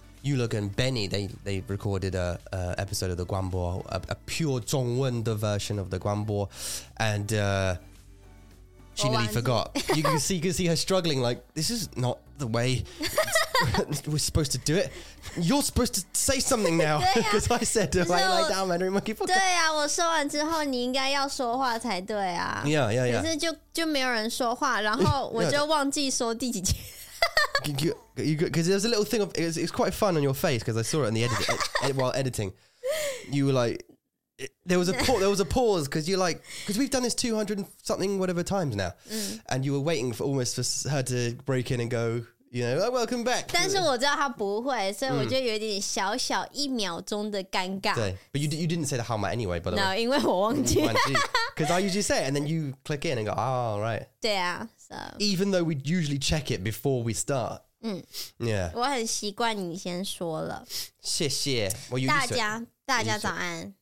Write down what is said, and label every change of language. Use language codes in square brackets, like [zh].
[en] Yula and Benny, they recorded an episode of the Guanbo, a pure [zh] 中文的 [en] version of the Guanbo. And She nearly forgot. You can see her struggling, like, this is not the way we're supposed to do it. You're supposed to say something now. Because I said, I lie down, Mandarin Monkey Podcast. [zh] 对啊，我说完之后，你应该要说话才对啊。 [en] Yeah, yeah, yeah. [zh] 可是就没有人说话，然后我就忘记说第几句。 [en] Because there's a little thing of, it's quite fun on your face, because I saw it in the edit, while editing. You were like, there was a pause, because you're like, because we've done this 200 and something whatever times now, and you were waiting for almost for her to break in and go, you know, oh, welcome back. [zh] 但是我知道她不会，所以我就有点小小一秒钟的尴尬。对 [en] ，but you didn't say the how much anyway, by the way. No, [zh] 因为我忘记。 [en] Because I usually say it, and then you click in and go, oh, right. [zh] 对啊 ， [en] so. Even though we usually check it before we start. 嗯 ，Yeah. [zh] 我很习惯你先说了。谢谢。大家早安。